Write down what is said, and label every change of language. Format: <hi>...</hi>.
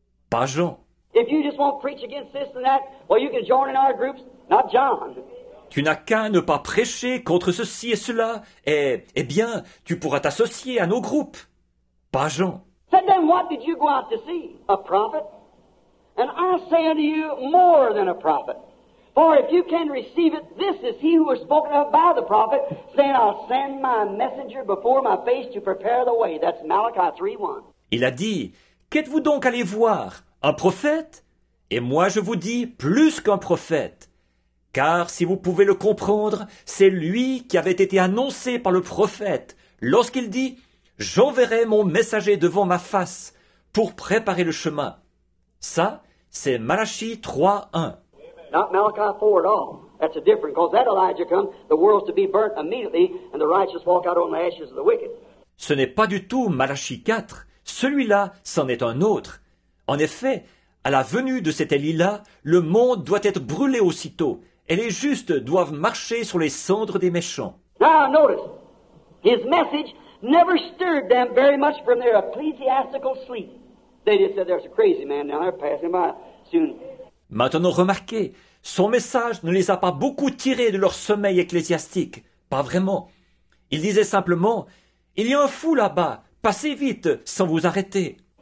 <fr>Pas Jean.</fr> <en>If you just won't preach against this and that, well, you can join in our groups. Not John.</en> <fr>Tu n'as qu'à ne pas prêcher contre ceci et cela, et eh bien, tu pourras t'associer à nos groupes. Pas Jean.</fr> <en>So then what did you go out to see? A prophet? And I say unto you, more than a prophet. For if you can receive it, this is he who was spoken of by the prophet, saying, I'll send my messenger before my face to prepare the way. That's Malachi 3:1.</en> <fr>Il a dit, qu'êtes-vous donc allé voir? Un prophète? Et moi je vous dis, plus qu'un prophète. Car si vous pouvez le comprendre, c'est lui qui avait été annoncé par le prophète lorsqu'il dit « J'enverrai mon messager devant ma face pour préparer le chemin ». Ça, c'est Malachi 3:1.</fr> <en>Not Malachi 4 at all. That's a different, because that Elijah comes, the world's to be burnt immediately, and the righteous walk out on the ashes of the wicked.</en> <fr>Ce n'est pas du tout Malachi 4. Celui-là, c'en est un autre. En effet, à la venue de cet Élie-là, le monde doit être brûlé aussitôt, et les justes doivent marcher sur les cendres des méchants.</fr> <en>Now notice, his message never stirred them very much from their ecclesiastical sleep. They just said, there's a crazy man down there passing by soon.</en> <fr>Maintenant remarquez, son message ne les a pas beaucoup tirés de leur sommeil ecclésiastique, pas vraiment. Il disait simplement, il y a un fou là-bas, passez vite sans vous arrêter.</fr>